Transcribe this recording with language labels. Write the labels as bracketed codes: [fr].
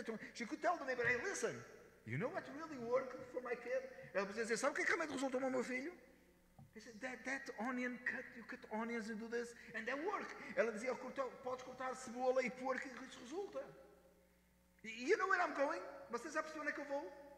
[en] Então, she could tell the neighbor, hey, listen, you know what really worked for my kid? [pt] Ela precisa dizer, sabe o que realmente resultou no meu filho? [en] He said, that onion cut, you cut onions and do this, and that worked. [pt] Ela dizia, podes cortar cebola e pôr que isso resulta. [en] You know where I'm going? [pt] Você já percebeu onde é que eu vou?